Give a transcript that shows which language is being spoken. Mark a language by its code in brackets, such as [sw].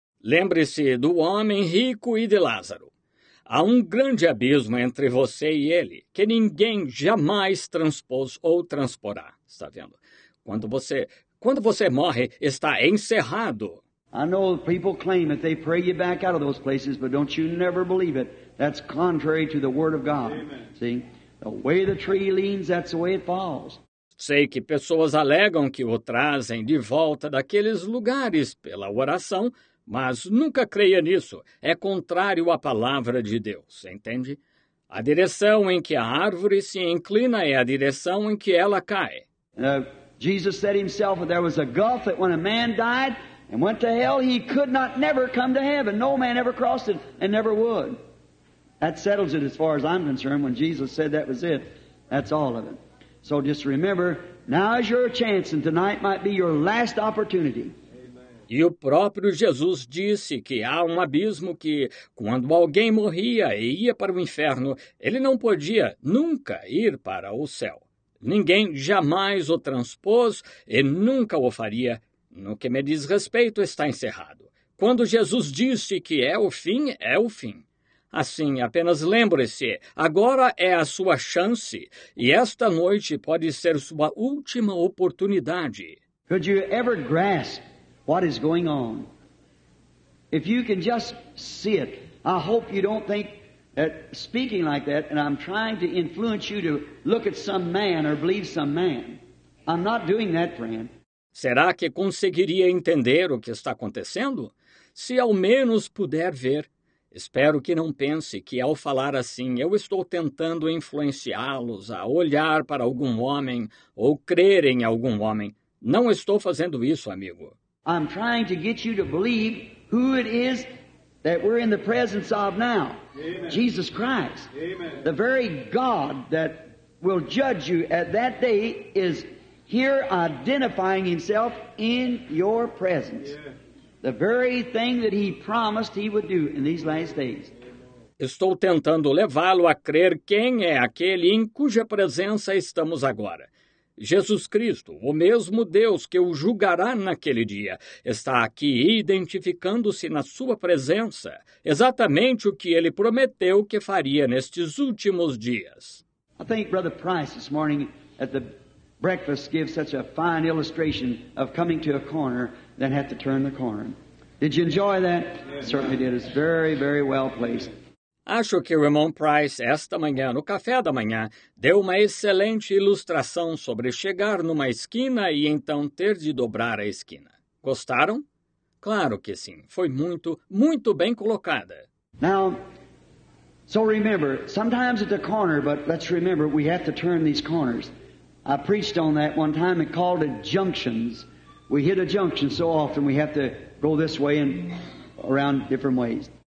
[pt] Lembre-se do homem rico e de Lázaro. Há um grande abismo entre você e ele, que ninguém jamais transpôs ou transporá. Está vendo? Quando você morre, está encerrado. [en] I know people claim that they pray you back out of those places, but don't you never believe it. That's contrary to the word of God. Amen. See? The way the tree leans, that's the way it falls. Sei que pessoas alegam que o trazem de volta daqueles lugares pela oração, mas nunca creia nisso. É contrário à palavra de Deus, entende? A direção em que a árvore se inclina é a direção em que ela cai. Jesus said himself that there was a gulf that when a man died and went to hell, he could not never come to heaven. No man ever crossed it and never would. That settles it as far as I'm concerned. When Jesus said that was it, that's all of it. So just remember, now is your chance, and tonight might be your last opportunity. Amen. [pt] E o próprio Jesus disse que há um abismo que, quando alguém morria e ia para o inferno, ele não podia nunca ir para o céu. Ninguém jamais o transpôs e nunca o faria. No que me diz respeito, está encerrado. Quando Jesus disse que é o fim, é o fim. Assim, apenas lembre-se, agora é a sua chance e esta noite pode ser sua última oportunidade. [en] Could you ever grasp what is going on? If you can just see it, I hope you don't think that speaking like that and I'm trying to influence you to look at some man or believe some man. I'm not doing that, friend. [pt] Será que conseguiria entender o que está acontecendo? Se ao menos puder ver. Espero que não pense que, ao falar assim, eu estou tentando influenciá-los a olhar para algum homem ou crer em algum homem. Não estou fazendo isso, amigo. [en] I'm trying to get you to believe who it is that we're in the presence of now. Amen. Jesus Christ. Amen. The very God that will judge you at that day is here identifying himself in your presence. Yeah. The very thing that he promised he would do in these last days. [pt] Estou tentando levá-lo a crer quem é aquele em cuja presença estamos agora. Jesus Cristo, o mesmo Deus que o julgará naquele dia, está aqui identificando-se na sua presença, exatamente o que ele prometeu que faria nestes últimos dias. [en] I think Brother Price this morning at the breakfast gave such a fine illustration of coming to a corner, then have to turn the corner. Did you enjoy that? Yes. Certainly did. It's very, very well placed. [pt] Acho que o irmão Price, esta manhã, no café da manhã, deu uma excelente ilustração sobre chegar numa esquina e então ter de dobrar a esquina. Gostaram? Claro que sim. Foi muito, muito bem colocada. [en] Now, so remember, sometimes at the corner, but let's remember, we have to turn these corners. I preached on that one time and called it junctions. We hit a junction so often we have to go this way and around different ways.